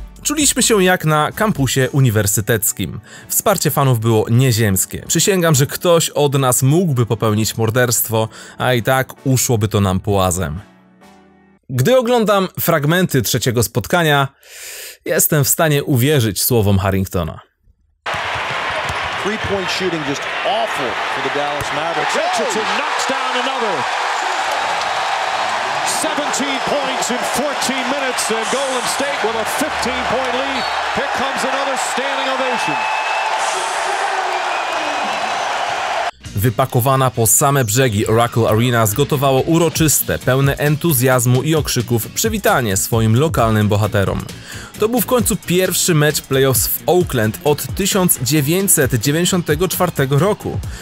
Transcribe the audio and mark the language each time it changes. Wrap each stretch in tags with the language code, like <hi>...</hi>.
<pl>Czuliśmy się jak na kampusie uniwersyteckim. Wsparcie fanów było nieziemskie. Przysięgam, że ktoś od nas mógłby popełnić morderstwo, a i tak uszłoby to nam płazem. Gdy oglądam fragmenty trzeciego spotkania, jestem w stanie uwierzyć słowom Harringtona.</pl> <en>Three-point shooting just awful for the Dallas Mavericks. Richardson knocks down another. 17 points in 14 minutes and Golden State with a 15-point lead. Here comes another standing ovation.</en> <pl>Wypakowana po same brzegi Oracle Arena zgotowało uroczyste, pełne entuzjazmu i okrzyków przywitanie swoim lokalnym bohaterom. To był w końcu pierwszy mecz playoffs w Oakland od 1994 roku.</pl>